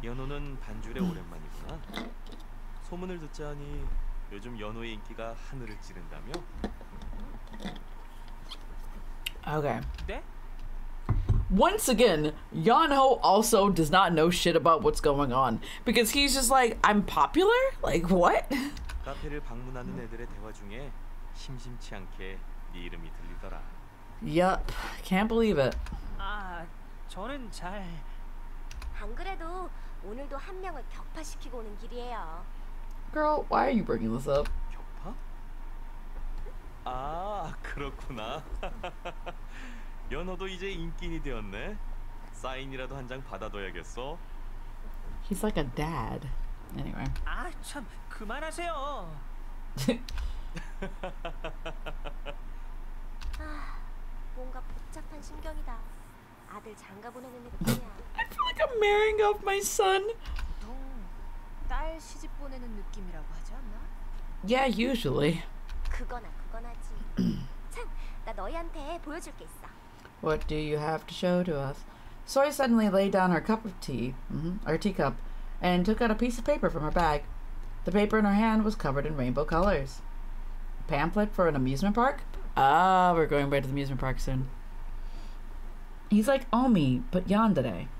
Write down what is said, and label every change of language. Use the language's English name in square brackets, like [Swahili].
[Korean] 연호는 반주래 오랜만이구나. 소문을 듣자니 요즘 연호의 인기가 하늘을 찌른다며? [English] Okay. [Korean] 네? [English] Once again, Yeonho also does not know shit about what's going on. Because he's just like, I'm popular? Like, what? [Korean] 카페를 방문하는 애들의 대화 중에 심심치 않게 네 이름이 들리더라. [English] Yup. Can't believe it. [Korean] 아, 저는 잘... 안 그래도 오늘도 한 명을 격파시키고 오는 길이에요. [English] Girl, why are you bringing this up? [Korean] 격파? 아, 그렇구나. 연호도 이제 인기인이 되었네. 사인이라도 한 장 받아둬야겠어. [English] He's like a dad. Anyway. [Korean] 아, 참, 그만하세요. 아, 뭔가 복잡한 심경이다. 아들 장가 보내는 느낌이야. [English] I feel like I'm marrying off my son. [Korean] 딸 시집 보내는 느낌이라고 하지 않나? [English] Yeah, usually. [Korean] 그거나 그거나지. 참, 나 너희한테 보여줄 게 있어. [English] What do you have to show to us? Soy suddenly laid down her cup of tea, or teacup, and took out a piece of paper from her bag. The paper in her hand was covered in rainbow colors. A pamphlet for an amusement park? Ah, we're going back to the amusement park soon. He's like Omi, but yandere.